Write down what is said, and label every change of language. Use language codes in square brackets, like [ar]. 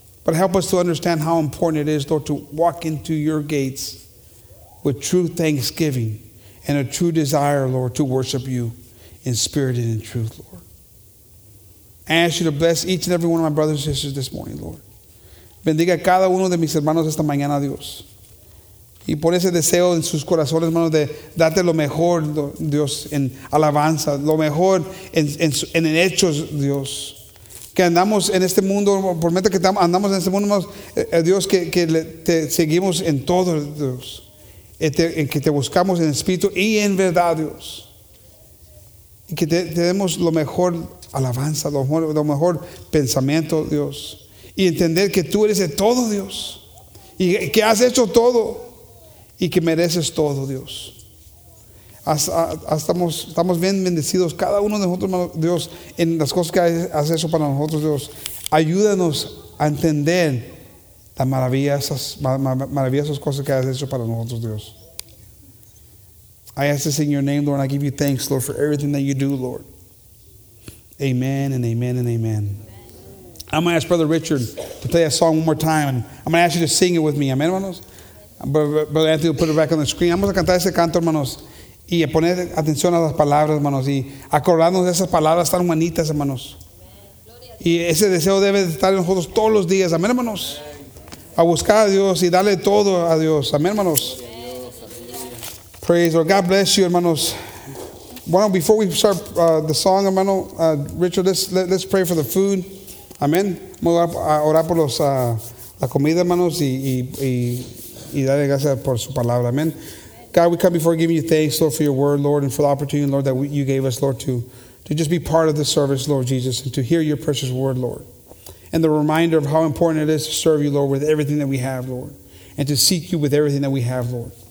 [en] But help us to understand how important it is, Lord, to walk into your gates with true thanksgiving and a true desire, Lord, to worship you in spirit and in truth, Lord. I ask you to bless each and every one of my brothers and sisters this morning, Lord. [es] Bendiga cada uno de mis hermanos esta mañana, Dios. Y pon ese deseo en sus corazones, hermano, de darte lo mejor, Dios, en alabanza, lo mejor en hechos, Dios. Que andamos en este mundo, por meta que andamos en este mundo, Dios, que te seguimos en todo, Dios. En que te buscamos en espíritu y en verdad, Dios. Y que te demos lo mejor alabanza, lo mejor pensamiento, Dios. Y entender que tú eres de todo, Dios. Y que has hecho todo. Y que mereces todo, Dios. Estamos bien bendecidos, cada uno de nosotros, Dios, en las cosas que has hecho para nosotros, Dios. Ayúdanos a entender las maravillosas cosas que has hecho para nosotros, Dios. [en] I ask this in your name, Lord, and I give you thanks, Lord, for everything that you do, Lord. Amen and amen and amen. I'm going to ask Brother Richard to play a song one more time, and I'm going to ask you to sing it with me. Amen, hermanos. Brother Anthony will put it back on the screen. [es] Vamos a cantar ese canto, hermanos, y a poner atención a las palabras, hermanos, y acordarnos de esas palabras tan bonitas, hermanos. Y ese deseo debe estar en nosotros todos los días. Amén, hermanos. A buscar a Dios y darle todo a Dios. Amén, hermanos. [en] Praise Lord. God bless you, hermanos. Well, before we start the song, hermano, Richard, let's pray for the food. [es] Amén. Vamos a orar por la comida, hermanos, y darle gracias por su palabra. Amén. [en] God, we come before giving you thanks, Lord, for your word, Lord, and for the opportunity, Lord, that you gave us, Lord, to just be part of the service, Lord Jesus, and to hear your precious word, Lord, and the reminder of how important it is to serve you, Lord, with everything that we have, Lord, and to seek you with everything that we have, Lord.